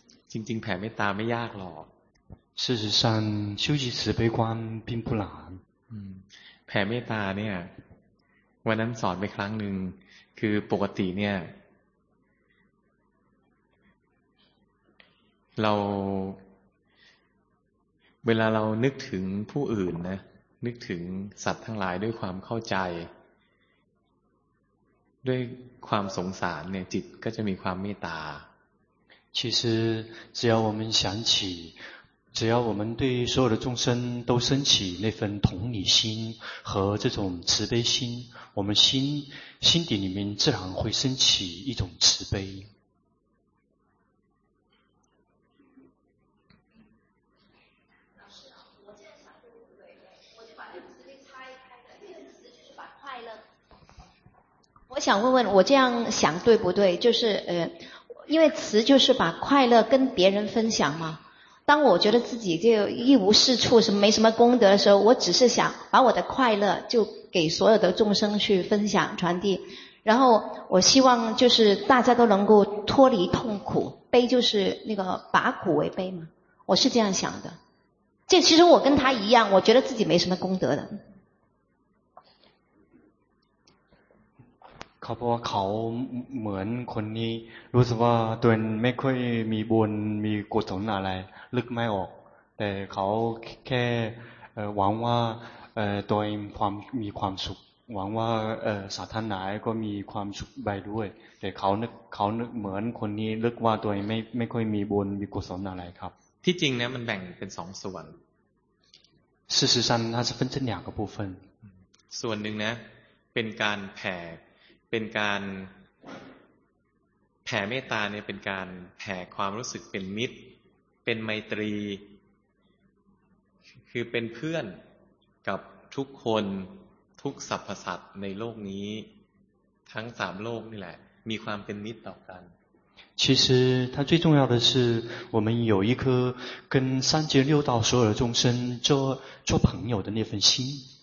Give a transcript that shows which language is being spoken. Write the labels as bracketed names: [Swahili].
[Thai] จริงๆแผ่เมตตาไม่ยากหรอก [Chinese] 事实上修习慈悲观并不难 [Thai] แ ผ่เมตตาเนี่ยวันนั้นสอนไปครั้งหนึ่งคือปกติเนี่ยเราเวลาเรานึกถึงผู้อื่นนะนึกถึงสัตว์ทั้งหลายด้วยความเข้าใจด้วยความสงสารเนี่ยจิตก็จะมีความเมตตา [Chinese] 其实只要我们想起只要我们对所有的众生都升起那份同理心和这种慈悲心我们心底里面自然会升起一种慈悲我想问问我这样想对不对就是因为慈就是把快乐跟别人分享嘛当我觉得自己就一无是处什么没什么功德的时候我只是想把我的快乐就给所有的众生去分享传递然后我希望就是大家都能够脱离痛苦悲就是那个把苦为悲嘛我是这样想的这其实我跟他一样我觉得自己没什么功德的 [Thai] เขาบอกว่าเขาเหมือนคนนี้รู้สึกว่าตัวเองไม่ค่อยมีบุญมีกุศลอะไรลึกไม่ออกแต่เขาแค่หวังว่าตัวเองความมีความสุขหวังว่าสาธารณะก็มีความสุขไปด้วยแต่เขานึกเหมือนคนนี้ลึกว่าตัวเองไม่ค่อยมีบุญมีกุศลอะไรครับ ที่จริงเนี่ยมันแบ่งเป็นสองส่วน [Chinese] 事实上它是分成两个部分 [Thai] ส่วนนึงนะเป็นการแผ่เป็นการแผ่เมตตาเนี่ยเป็นการแผ่ความรู้สึกเป็นมิตรเป็นไมตรีคือเป็นเพื่อนกับทุกคนทุกสรรพสัตว์ในโลกนี้ทั้งสามโลกนี่แหละมีความเป็นมิตรต่อกัน [Chinese] 其实它最重要的是我们有一颗跟三界六道所有的众生做朋友的那份心